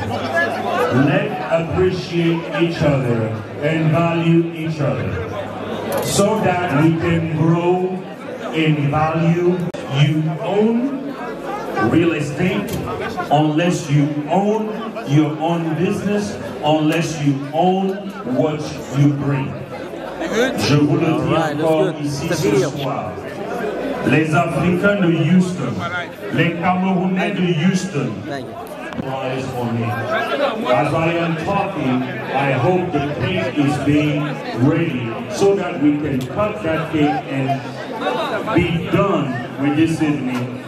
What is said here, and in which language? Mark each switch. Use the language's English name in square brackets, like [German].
[English] Let's appreciate each other and value each other, so that we can grow in value. You own real estate unless you own your own business, unless you own what you bring. [French] Je vous le dis encore ici ce soir. Les Africains de Houston, [English] les Camerounais de Houston, as I am talking, I hope the cake is being ready so that we can cut that cake and be done with this evening.